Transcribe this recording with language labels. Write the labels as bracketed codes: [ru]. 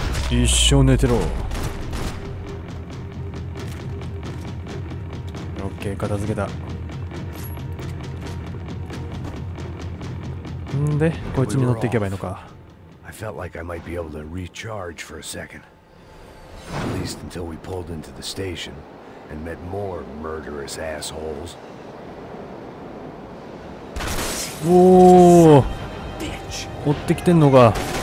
[ja] 一生寝てろ。 OK 片付けた。んで、こいつに乗っていけばいいのか。 [en] I felt like I might be able to recharge for a second. At least until we pulled into the station and met more murderous assholes. [ja] おお、追ってきてんのか。